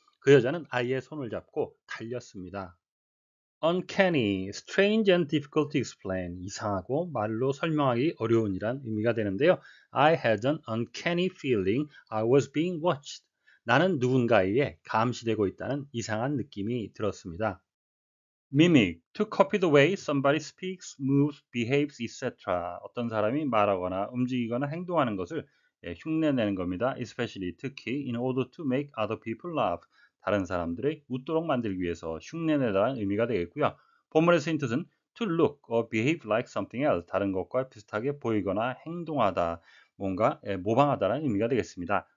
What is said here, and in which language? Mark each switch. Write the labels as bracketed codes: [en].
[ko] 그 여자는 아이의 손을 잡고 달렸습니다. [en] Uncanny, strange and difficult to explain. [ko] 이상하고 말로 설명하기 어려운이란 의미가 되는데요. [en] I had an uncanny feeling I was being watched. [ko] 나는 누군가에게 감시되고 있다는 이상한 느낌이 들었습니다. [en] Mimic, to copy the way somebody speaks, moves, behaves, etc. [ko] 어떤 사람이 말하거나 움직이거나 행동하는 것을 흉내내는 겁니다. [en] Especially, [ko] 특히 [en] in order to make other people laugh, [ko] 다른 사람들의 웃도록 만들기 위해서 흉내내다는 의미가 되겠고요. 본문에서의 뜻은 [en] to look or behave like something else, [ko] 다른 것과 비슷하게 보이거나 행동하다, 뭔가 모방하다라는 의미가 되겠습니다.